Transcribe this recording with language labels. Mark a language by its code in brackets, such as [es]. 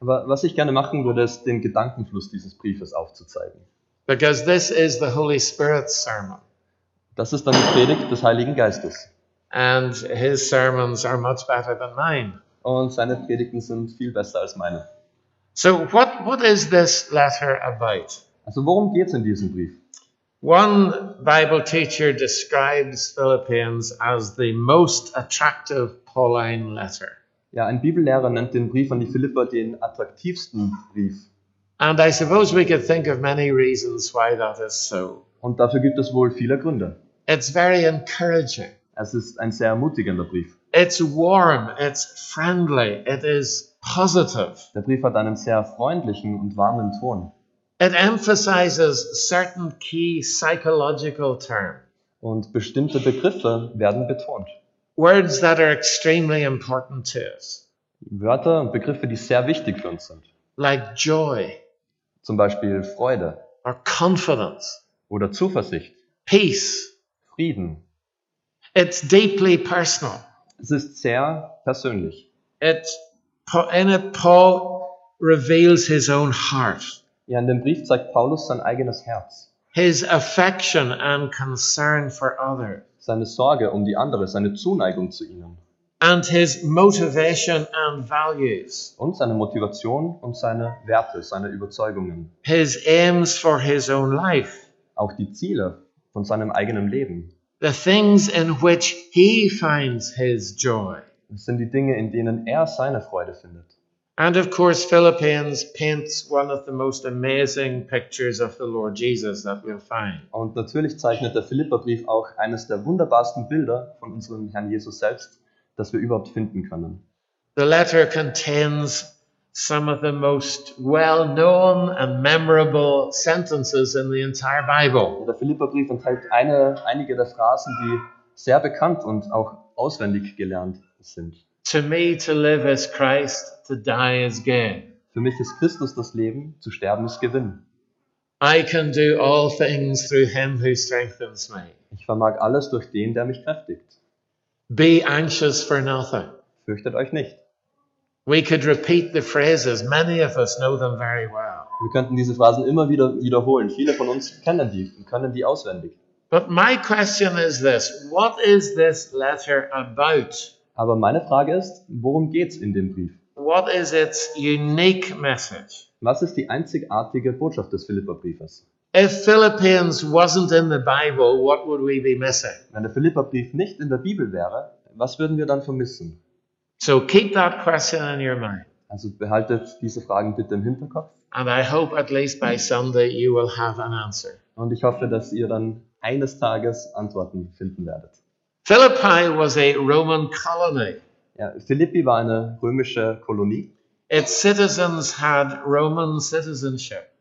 [de] Aber was ich gerne machen würde, ist, den Gedankenfluss dieses Briefes aufzuzeigen. [en] Because this is the Holy Spirit's sermon. [de] Das ist dann die Predigt des Heiligen Geistes. [en] And his sermons are much better than mine. [de] Und seine Predigten sind viel besser als meine. [en] So what is this letter about? [de] Also worum geht's in diesem Brief? [en] One Bible teacher describes Philippians as the most attractive Pauline letter. [de] Ja, ein Bibellehrer nennt den Brief an die Philipper den attraktivsten Brief. [en] And I suppose we could think of many reasons why that is so. [de] Und dafür gibt es wohl viele Gründe. [en] It's very encouraging. [de] Es ist ein sehr ermutigender Brief. [en] It's warm, it's friendly, it is positive. [de] Der Brief hat einen sehr freundlichen und warmen Ton. [en] It emphasizes certain key psychological terms. [de] Und bestimmte Begriffe werden betont. [en] Words that are extremely important to us. [de] Wörter und Begriffe, die sehr wichtig für uns sind. [en] Like joy, [de] zum Beispiel Freude, [en] or confidence, [de] oder Zuversicht, [en] peace, [de] Frieden. [en] It's deeply personal. [de] Es ist sehr persönlich. [en] Paul reveals his own heart. [de] Ja, in dem Brief zeigt Paulus sein eigenes Herz. [en] His affection and concern for others. [de] Seine Sorge um die andere, seine Zuneigung zu ihnen. [en] And his motivation and values. [de] Und seine Motivation und seine Werte, seine Überzeugungen. [en] His aims for his own life. [de] Auch die Ziele von seinem eigenen Leben. [en] The things in which he finds his joy. [de] Das sind die Dinge, in denen er seine Freude findet. [en] And of course, Philippians paints one of the most amazing pictures of the Lord Jesus that we'll find. [de] Und natürlich zeichnet der Philipperbrief auch eines der wunderbarsten Bilder von unserem Herrn Jesus selbst, das wir überhaupt finden können. [en] The letter contains some of the most well-known and memorable sentences in the entire Bible. [de] Ja, der Philipperbrief enthält einige der Phrasen, die sehr bekannt und auch auswendig gelernt sind. [en] To me to live is Christ, to die is gain. [de] Für mich ist Christus das Leben, zu sterben ist Gewinn. [en] I can do all things through him who strengthens me. [de] Ich vermag alles durch den, der mich kräftigt. [en] Be anxious for nothing. [de] Fürchtet euch nicht. [en] We could repeat the phrases. Many of us know them very well. [de] Wir könnten diese Phrasen immer wieder wiederholen. Viele von uns kennen die und können die auswendig. [en] But my question is this: what is this letter about? [de] Aber meine Frage ist, worum geht's in dem Brief? [en] What is its unique message? [de] Was ist die einzigartige Botschaft des Philipperbriefes? [en] If Philippians wasn't in the Bible, what would we be missing? [de] Wenn der Philipperbrief nicht in der Bibel wäre, was würden wir dann vermissen? [en] So keep that question in your mind. [de] Also behaltet diese Fragen bitte im Hinterkopf. [en] And I hope at least by Sunday you will have an answer. [de] Und ich hoffe, dass ihr dann eines Tages Antworten finden werdet. [en] Philippi was a Roman colony. [de] Ja, Philippi war eine römische Kolonie. [en] Its citizens had Roman citizenship.